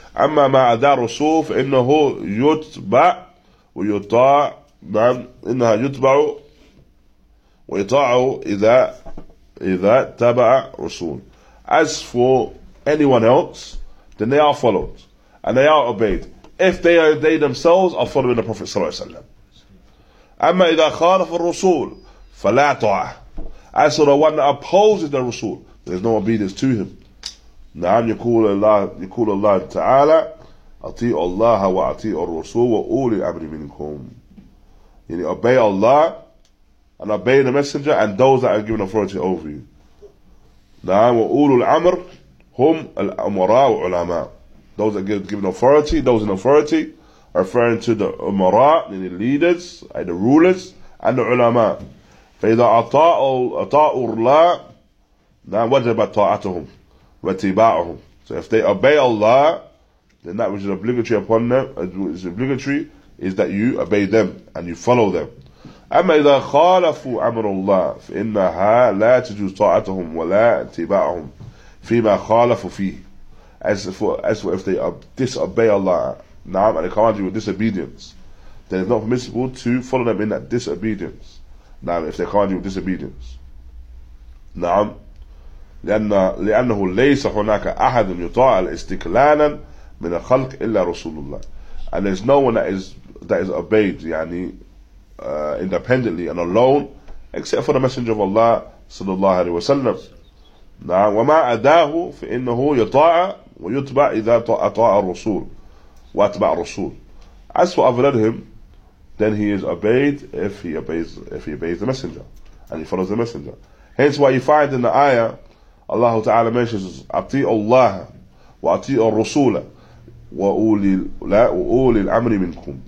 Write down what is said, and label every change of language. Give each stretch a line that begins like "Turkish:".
Arabic: أما ما عدا رسول فإنه يتبع ويطاع. نعم إنها يتبع ويطاع إذا تبع رسول.
English: As for anyone else, then they are followed and they are obeyed if they themselves are following the Prophet صلى الله عليه وسلم.
Arabic: أما إذا خالف الرسول فلا طاعة.
English: As for the one that opposes the Rasul, there's no obedience to him.
Arabic: نعم يقول الله تعالى أطيع الله وأطيع الرسول وأولي الأمر منكم.
English: يعني obey Allah and obey the messenger and those that are given authority over you.
Arabic: نعم وأولي الأمر هم الأمراء والعلماء.
English: Those that are given authority, those in authority, referring to the أمراء, the leaders, the rulers, and the علماء.
Arabic: فإذا أطاعوا الله نعم وجب طاعتهم واتباعهم.
English: So if they obey Allah, then that which is obligatory upon them is obligatory is that you obey them and you follow them.
Arabic: أما إذا خالفوا أمر الله فإنها لا تجوز طاعتهم ولا اتباعهم فيما خالفوا فيه.
English: As for if they disobey Allah, نعم and they command you with disobedience, then it's not permissible to follow them in that disobedience. نعم if they command you with disobedience.
Arabic: نعم لأنه ليس هناك أحد يطاع استقلالا من الخلق إلا رسول الله.
English: And there's no one that is obeyed يعني independently and alone except for the messenger of Allah صلى الله عليه وسلم.
Arabic: نعم وما أداه فإنه يطاع ويتبع إذا أطاع الرسول وأتبع الرسول.
English: As for other than him, then he is obeyed if he obeys the messenger and he follows the messenger. Hence why you find in the ayah, Allah Ta'ala mentions
Arabic: أَطِيعُ اللَّهَ وَأَطِيعُ الرَّسُولَ وَأُولِي الْأَمْرِ مِنْكُمْ.